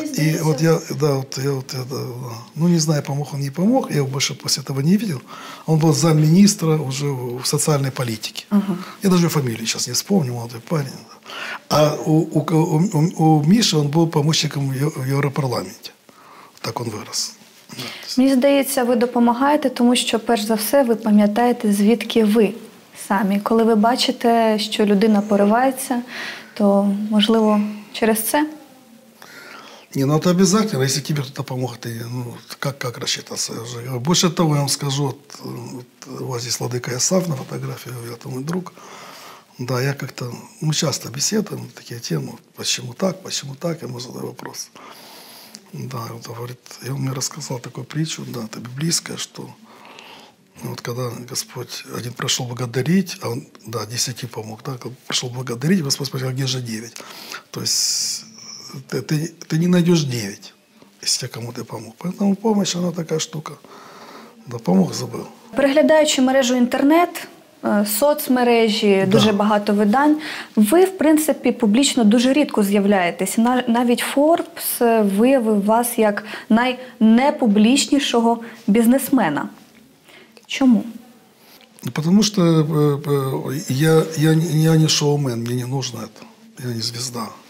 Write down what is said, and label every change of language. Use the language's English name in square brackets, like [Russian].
[Russian] И вот я, да, вот я вот это, да. Ну, не знаю, помог он, не помог. Я его больше после этого не видел. Он был замминистра уже в социальной политике. Uh-huh. Я даже фамилию сейчас не вспомню, молодой парень. Да. А у Миши он был помощником в Европарламенте. Так он вырос. [Ukrainian] Мені здається, ви допомагаєте, тому що, перш за все, ви пам'ятаєте, звідки ви самі. Коли ви бачите, що людина поривається, то, можливо, через це? Ні, ну це обов'язково. Якщо тобі хтось допоміг, то ну, як рахуватися? Більше того, я вам скажу, у вас є Владика Ясав на фотографії, я там мій друг. [Russian] Да, я как-то, [Ukrainian] ми часто беседуємо на такі теми, чому так, [Russian] я ему задаю вопрос. Да, он говорит, и он мне рассказал такую притчу, да, это библейская, что вот когда Господь один пришел благодарить, а он, да, десяти помог, да, пришел благодарить, Господь спросил, а где же девять? То есть ты не найдешь девять, если тебе кому-то помог. Поэтому помощь, она такая штука. Да, помог, забыл. [Ukrainian] Переглядаючи мережу интернет, соцмережі, дуже багато видань. Ви, в принципі, публічно дуже рідко з'являєтесь. Навіть Forbes виявив вас як найнепублічнішого бізнесмена. Чому? Тому що я не шоумен, мені не потрібно це. [Russian] Я не звезда.